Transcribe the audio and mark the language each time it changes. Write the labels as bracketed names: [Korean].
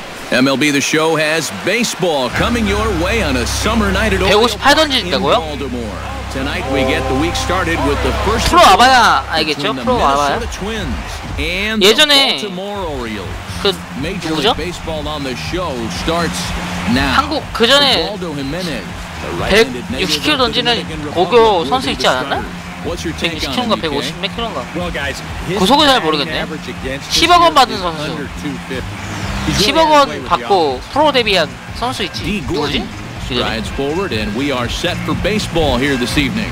[English] MLB The Show has baseball coming your way on a summer night at Oriole Park in Baltimore. Tonight we get the week started with the first game between the Twins and the Baltimore Orioles. [Korean] 그 누구죠? [English] Baseball on the show starts now. [Korean] 한국 그 전에 160km 던지는 고교 선수 있지 않았나? 160km인가 150km인가 구속을 잘 모르겠네. 10억 원 받은 선수, 10억 원 받고 프로 데뷔한 선수 있지. 누구지? [English] Strides forward and we are set for baseball here this evening.